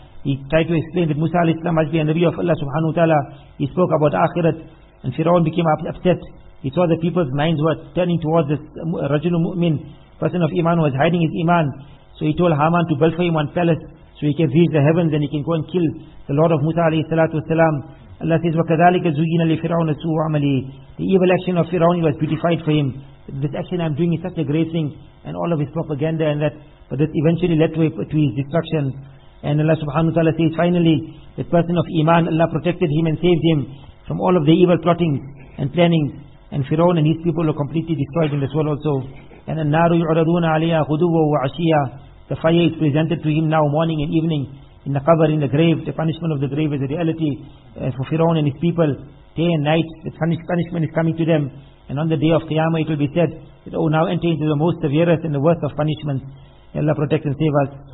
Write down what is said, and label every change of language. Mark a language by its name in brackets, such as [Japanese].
[English] He tried to explain that Musa alayhi salam must be a Nabi of Allah subhanahu wa ta'ala. He spoke about Akhirat, and Fir'aun became upset. He saw the people's minds were turning towards this Rajul Mu'min, person of Iman, who was hiding his Iman. So he told Haman to build for him one palace so he can reach the heavens and he can go and kill the Lord of Musa alayhi salatu wasalam. Allah says, [Arabic] وَكَذَلِكَ زُيِّنَ لِفِرْعَوْنَ سُوءُ عَمَلِهِ. [English] The evil action of Fir'aun was beautified for him. This action I'm doing is such a great thing, and all of his propaganda and that, but this eventually led to his destruction. And Allah subhanahu wa ta'ala says, finally, the person of Iman, Allah protected him and saved him from all of the evil plottings and plannings. And Fir'aun and his people were completely destroyed in this world also. [Arabic] And النَّارُ يُعْرَضُونَ عَلَيْهَا غُدُوًّا وَعَشِيًّا. [English] The fire is presented to him now morning and evening in the qabr, in the grave. The punishment of the grave is a reality for Fir'aun and his people. Day and night, the punishment is coming to them. And on the day of Qiyamah, it will be said that, oh, now enter into the most severest and the worst of punishments. Allah protect and save us.